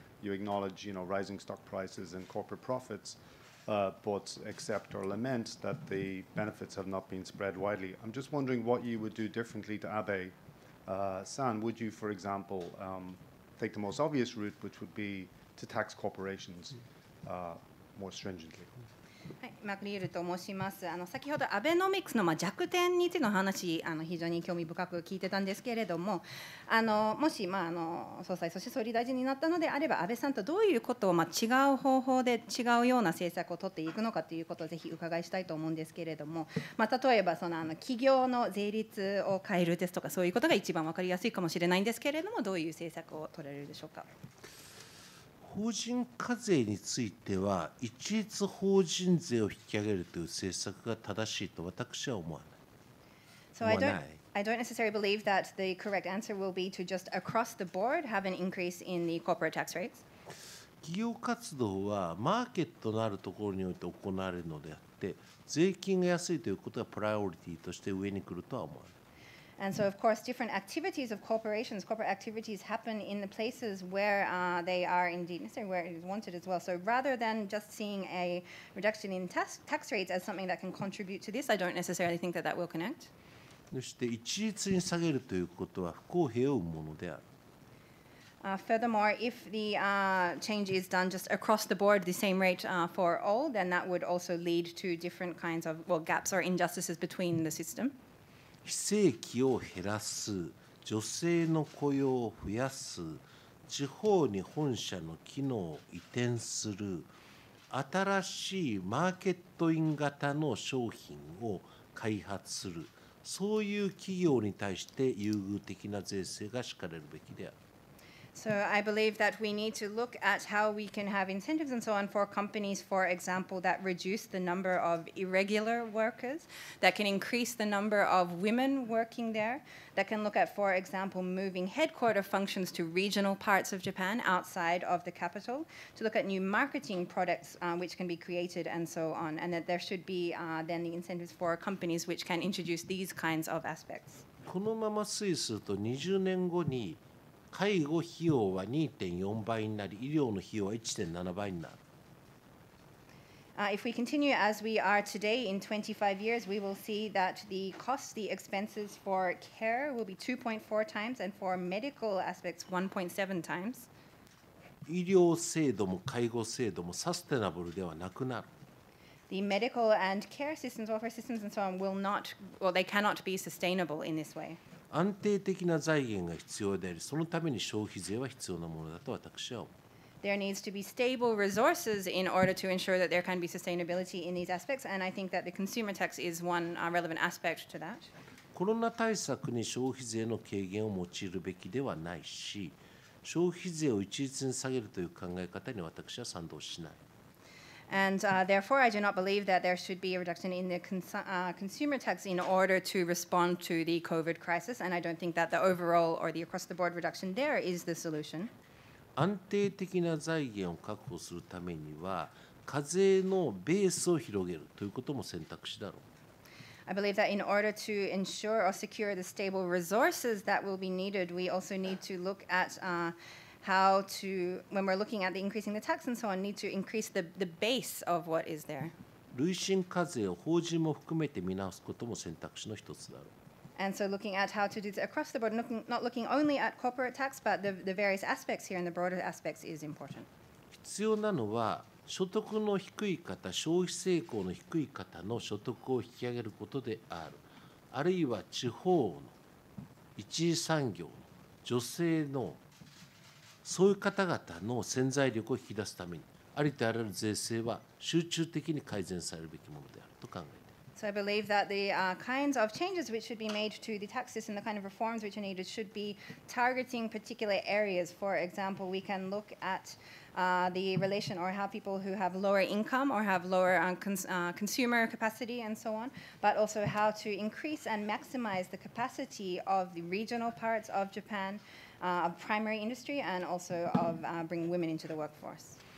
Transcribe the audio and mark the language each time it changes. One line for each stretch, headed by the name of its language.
English: You acknowledge, you know, rising stock prices and corporate profits. But accept or lament that the benefits have not been spread widely. I'm just wondering what you would do differently to Abe-san. Would you, for example, take the most obvious route, which would be to tax corporations more stringently?
Japanese: はい、マクリールと申します。先ほどアベノミクスの弱点についての話、非常に興味深く聞いてたんですけれども、もし、総裁そして総理大臣になったのであれば、安倍さんとどういうことを、違う方法で違うような政策を取っていくのかということをぜひ伺いしたいと思うんですけれども、例えばその企業の税率を変えるですとか、そういうことが一番分かりやすいかもしれないんですけれども、どういう政策を取られるでしょうか。法人課税については一律法人税を引き上げるという政策が正しいと私は思わない。
English: So I don't necessarily believe that the correct answer will be to just across the board have an increase in the corporate tax rates.
Japanese: 企業活動はマーケットのあるところにおいて行われるのであって、税金が安いということがプライオリティとして上に来るとは思わない。
English: And so, of course, different activities of corporations, corporate activities happen in the places where they are indeed necessary, where it is wanted as well. So rather than just seeing a reduction in tax rates as something that can contribute to this, I don't necessarily think that that will connect.
Japanese: そして一律に下げるということは不公平を生むものである。
English: Furthermore, if the change is done just across the board, the same rate for all, then that would also lead to different kinds of, well, gaps or injustices between the system.
Japanese: 非正規を減らす、女性の雇用を増やす、地方に本社の機能を移転する、新しいマーケットイン型の商品を開発する、そういう企業に対して優遇的な税制が敷かれるべきである。
English: So I believe that we need to look at how we can have incentives and so on for companies, for example, that reduce the number of irregular workers, that can increase the number of women working there, that can look at, for example, moving headquarter functions to regional parts of Japan outside of the capital, to look at new marketing products which can be created and so on, and that there should be then the incentives for companies which can introduce these kinds of aspects.
Japanese: このまま推移すると20年後に介護費用は 2.4 倍になり、医療の費用は 1.7 倍になる。
English: If we continue as we are today in 25 years, we will see that the cost, the expenses for care will be 2.4 times and for medical aspects 1.7 times.
Japanese: 医療制度も介護制度もサステナブルではなくなる。
English: The medical and care systems, welfare systems and so on will not, well, they cannot be sustainable in this way.
Japanese: 安定的な財源が必要であり、そのために消費税は必要なものだと私は思う。
English: There needs to be stable resources in order to ensure that there can be sustainability in these aspects, and I think that the consumer tax is one relevant aspect to that.
Japanese: コロナ対策に消費税の軽減を用いるべきではないし、消費税を一律に下げるという考え方に私は賛同しない。
English: And therefore, I do not believe that there should be a reduction in the consumer tax in order to respond to the COVID crisis, and I don't think that the overall or the across the board reduction there is the solution.
Japanese: 安定的な財源を確保するためには課税のベースを広げるということも選択肢だろう。
English: I believe that in order to ensure or secure the stable resources that will be needed, we also need to look at how to, when we're looking at the increasing the tax and so on, need to increase the base of what is there.
Japanese: 累進課税を法人も含めて見直すことも選択肢の一つだろう。
English: And so looking at how to do this across the board, not looking only at corporate tax, but the various aspects here and the broader aspects is important.
Japanese: 必要なのは所得の低い方、消費性向の低い方の所得を引き上げることである。あるいは地方の一次産業の女性のそういう方々の潜在力を引き出すために、ありとあらゆる税制は集中的に改善されるべきものであると考えています。
English: So I believe that the kinds of changes which should be made to the taxes and the kind of reforms which are needed should be targeting particular areas. For example, we can look at the relation or how people who have lower income or have lower consumer capacity and so on, but also how to increase and maximize the capacity of the regional parts of Japan, of primary industry, and also of bringing women into the workforce.